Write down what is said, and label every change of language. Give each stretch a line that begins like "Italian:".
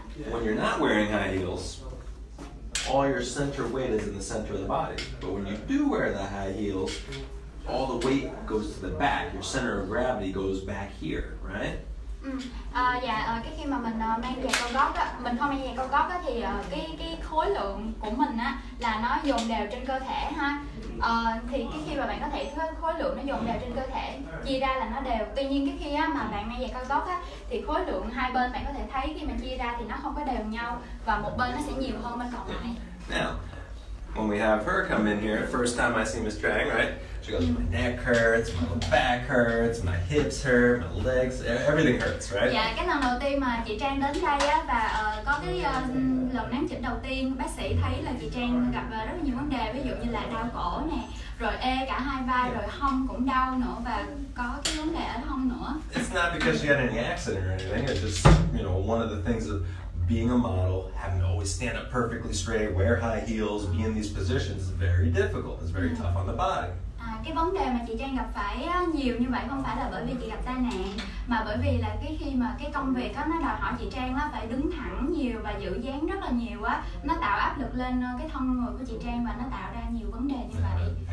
English: when you're not wearing high heels, all your center weight is in the center of the body. But when you do wear the high heels, all the weight goes to the back. Your center of gravity goes back here, right?
Vietnamese: Cái khi mà mình mang giày cao gót á, mình không mang giày cao gót á thì cái khối lượng của mình á là nó dồn đều trên cơ thể ha. Thì cái khi mà bạn có thể thấy khối lượng nó dồn đều trên cơ thể, chia ra là nó đều. Tuy nhiên cái khi á mà bạn mang giày cao gót á thì khối lượng hai bên bạn có thể thấy khi mà chia ra thì nó không có đều nhau và một bên nó sẽ nhiều hơn bên còn lại.
English: Now, when we have her come in here, first time I see Miss Trang, right? She goes, my neck hurts, my back hurts, my hips hurt, my legs, everything hurts, right?
Vietnamese: Dạ, cái lần đầu tiên mà chị Trang đến đây á và có cái lần nám chỉnh đầu tiên, bác sĩ thấy là chị Trang gặp rất nhiều vấn đề, ví dụ như là đau cổ nè, rồi ê cả hai vai, rồi hông cũng đau nữa và có cái vấn đề ở hông nữa.
English: It's not because she had any accident or anything, it's just, you know, one of the things of being a model, having to always stand up perfectly straight, wear high heels, be in these positions is very difficult, it's very tough on the body.
Vietnamese: cái vấn đề mà chị Trang gặp phải nhiều như vậy không phải là bởi vì chị gặp tai nạn, mà bởi vì là cái khi mà cái công việc nó đòi hỏi chị Trang phải đứng thẳng nhiều và giữ dáng rất là nhiều á, nó tạo áp lực lên cái thân người của chị Trang và nó tạo ra nhiều vấn đề như vậy.